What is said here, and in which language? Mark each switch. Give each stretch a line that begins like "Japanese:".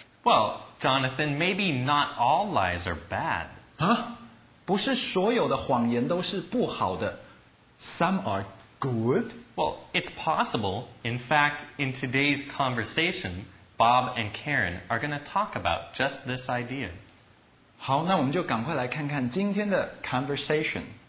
English: Well, Jonathan, maybe not all lies are bad.
Chinese: 啊，不是所有的谎言都是不好的。
English: Some are good. Well, it's possible. In fact, in today's conversation, Bob and Karen are going to talk about just this idea.
Chinese: 好，那我们就赶快来看看今天的 conversation。